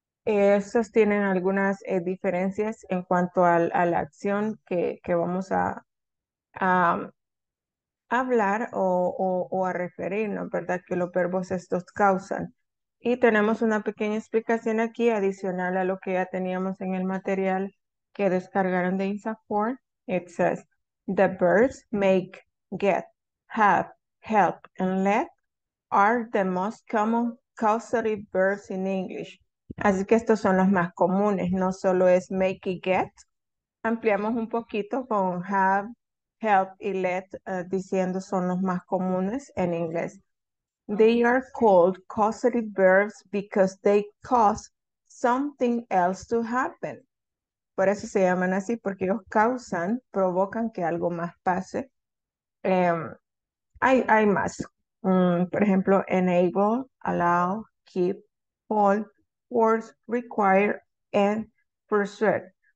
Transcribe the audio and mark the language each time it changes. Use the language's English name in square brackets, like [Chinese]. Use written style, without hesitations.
[Spanish] Estos tienen algunas diferencias en cuanto a la acción que vamos a hablar o a referirnos, ¿verdad? Que los verbos estos causan. Y tenemos una pequeña explicación aquí adicional a lo que ya teníamos en el material que descargaron de Insafor. [English] It says, the verbs make, get, have, help, and let are the most common causative verbs in English. [Spanish] Así que estos son los más comunes, no solo es make y get. Ampliamos un poquito con have, help y let, diciendo son los más comunes en inglés. [English] They are called causative verbs because they cause something else to happen. [Spanish] Por eso se llaman así, porque ellos causan, provocan que algo más pase. Hay más. Por ejemplo, enable, allow, keep, hold, force, require, and persuade.